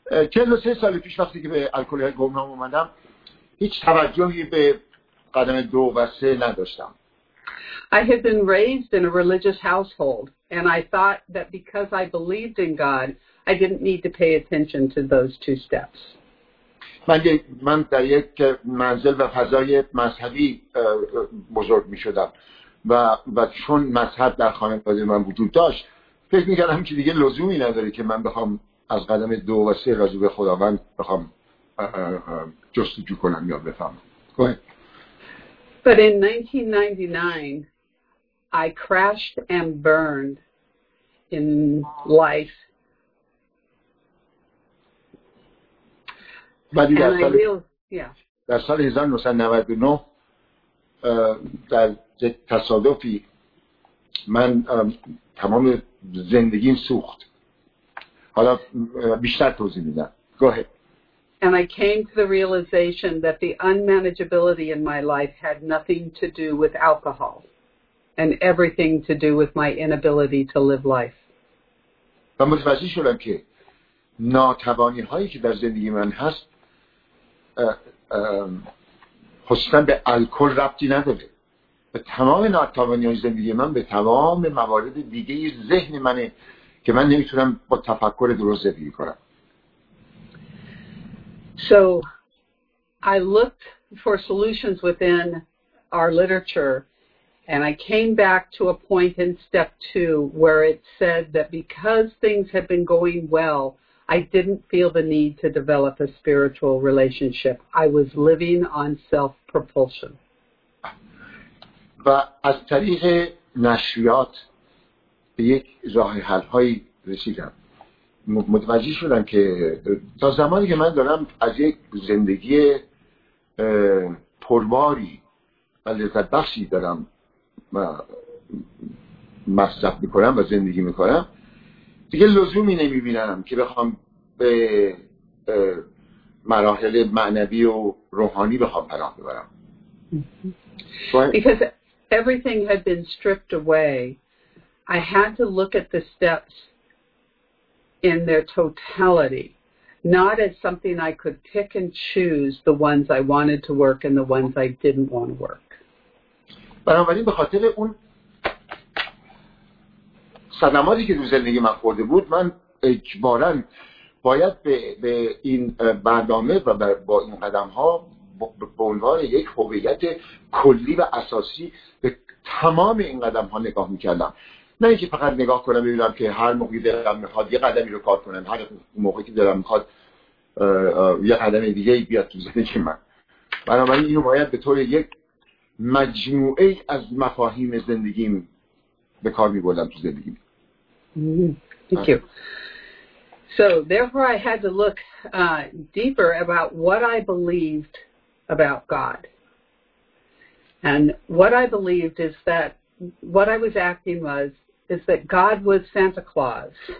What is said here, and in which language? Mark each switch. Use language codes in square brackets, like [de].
[fa] چندو سه سال پیش وقتی که به الکل گمنام اومدم هیچ توجهی به قدم دو و سه نداشتم. [en] I had been raised in a religious household and I thought that because I believed in God, I didn't need to pay attention to those two steps. [fa] من در یک منزل و فضای مذهبی بزرگ می شدم و چون مذهب در خانواده من وجود داشت فکر می کردم که دیگه لزومی نداره که من بخوام از قدم دو و سه راجب خداوند بخوام جستجو کنم یا بفهمم. [en] But in 1999, I crashed and burned in life. And I realized, [fa] در سال 1999 در تصادفی من تمام زندگیم سوخت. حالا بیشتر توضیح میدم. [en] Go ahead. And I came to the realization that the unmanageability in my life had nothing to do with alcohol and everything to do with my inability to live life. [fa] و متوجه شدم که ناتوانی هایی که در زندگی من هست خصوصاً به الکل ربطی نداره. به تمام ناتوانی های زندگی من به تمام موارد دیگه ذهن منه که من نمیتونم با تفکر درست زندگی کنم. [en] So I looked for solutions within our literature and I came back to a point in step two where it said that because things had been going well, I didn't feel the need to develop a spiritual relationship. I was living on self-propulsion. [fa] و از طریق نشریات به یک راه حل‌هایی رسیدم. متوجه شدم که تا زمانی که من دارم از یک زندگی پرباری و لذت بخشی دارم مصرف میکنم و زندگی میکنم دیگه لزومی نمیبینم که بخوام به مراحل معنوی و روحانی بخوام پناه ببرم. [en] Because everything had been stripped away, I had to look at the steps in their totality, not as something I could pick and choose the ones I wanted to work and the ones I didn't want to work. [fa] بنابراین به خاطر اون صدماتی که تو زندگی من خورده بود من اجبارا باید به این برنامه و با این قدم ها به عنوان یک هویت کلی و اساسی به تمام این قدم ها نگاه میکردم. نه اینکه فقط نگاه کنم ببینم که هر موقعی دلم میخواد یه قدمی رو کار کنم، هر موقعی که دلم میخواد یه قدم دیگه ای بیاد تو زندگی من. بنابراین اینو باید به طور یک مجموعه از مفاهیم زندگیم به کار میبردم تو زندگیم. [en] Thank you. So therefore I had to look deeper about what I believed about God. And what I believed is that what I was asking was, is that God was Santa Claus.